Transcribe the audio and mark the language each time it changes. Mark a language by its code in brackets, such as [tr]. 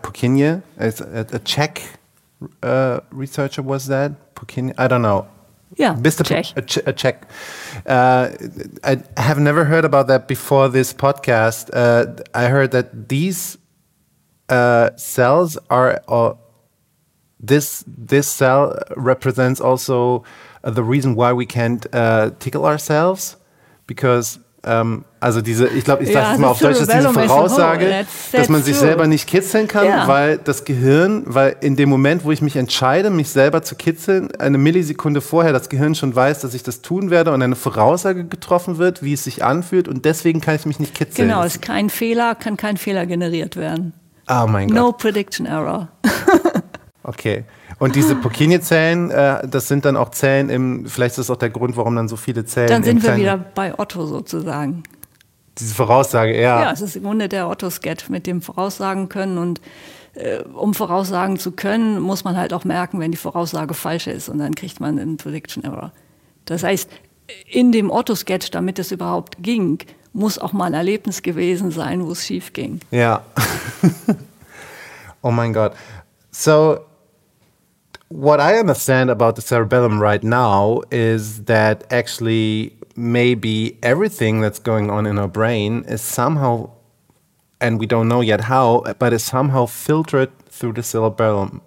[en] Purkinje, it's a Czech researcher, was that? Purkinje, I don't know. Yeah, Mr. Czech. A Czech. I have never heard about that before this podcast. I heard that these cells are... This cell represents also the reason why we can't tickle ourselves, because [de] also diese, ich glaube, ich sage es mal auf Deutsch, dass diese Voraussage, dass man sich selber nicht kitzeln kann, weil das Gehirn, weil in dem Moment, wo ich mich entscheide, mich selber zu kitzeln, eine Millisekunde vorher das Gehirn schon weiß, dass ich das tun werde und eine Voraussage getroffen wird, wie es sich anfühlt, und deswegen kann ich mich nicht kitzeln. Genau, es ist kein Fehler, kann kein Fehler generiert werden. Oh mein Gott. [en] No prediction error. Okay. [de] Und diese Purkinje-Zellen, das sind dann auch Zellen im, vielleicht ist das auch der Grund, warum dann so viele Zellen. Dann sind wir wieder bei Otto sozusagen. Diese Voraussage, ja. Ja, es ist im Grunde der Otto-Sketch mit dem Voraussagen können. Und um voraussagen zu können, muss man halt auch merken, wenn die Voraussage falsch ist. Und dann kriegt man einen Prediction Error. Das heißt, in dem Otto-Sketch, damit es überhaupt ging, muss auch mal ein Erlebnis gewesen sein, wo es schief ging. Ja. Oh mein Gott. [en] So, what I understand about the cerebellum right now is that actually maybe everything that's going on in our brain is somehow, and we don't know yet how, but is somehow filtered through the cerebellum.